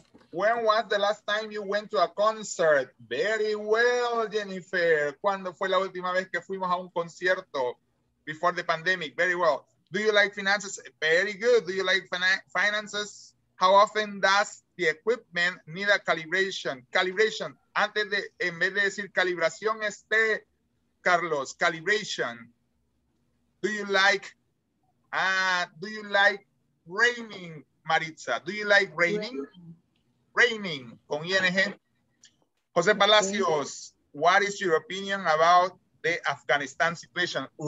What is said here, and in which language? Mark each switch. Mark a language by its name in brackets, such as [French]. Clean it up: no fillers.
[English] When was the last time you went to a concert? Very well, Jennifer. [Spanish] ¿Cuándo fue la última vez que fuimos a un concierto? [English] Before the pandemic. Very well. Do you like finances? Very good. Do you like finances? How often does the equipment need a calibration? Calibration. [Spanish] Antes de, en vez de decir calibración, este, Carlos, calibration. [English] Do you like, do you like raining, Maritza? Do you like raining? Raining, [Spanish] con ING. [English] José Palacios, what is your opinion about the Afghanistan situation?